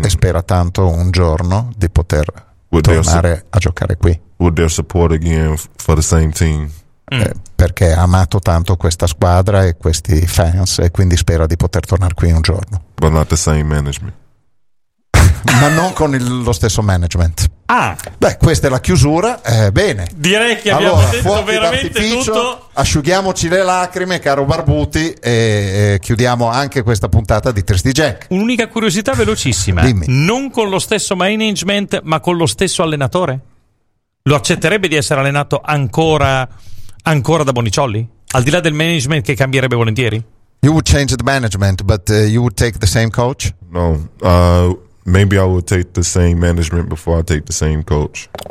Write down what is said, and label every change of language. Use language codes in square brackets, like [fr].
[it] e spera tanto un giorno di poter tornare a giocare qui [en] with their support again for the same team. [it] Perché ha amato tanto questa squadra e questi fans, e quindi spera di poter tornare qui un giorno. [en] But not the same management. [it] Ma non con lo stesso management. Ah. Beh, questa è la chiusura. Bene. Direi che abbiamo detto veramente tutto. Asciughiamoci le lacrime, caro Barbuti, e chiudiamo anche questa puntata di Tristi Jack. Un'unica curiosità velocissima. Dimmi. Non con lo stesso management, ma con lo stesso allenatore? Lo accetterebbe di essere allenato ancora da Bonicioli? Al di là del management che cambierebbe volentieri? [en] You would change the management, but you would take the same coach? No, maybe I would take the same management before I take the same coach.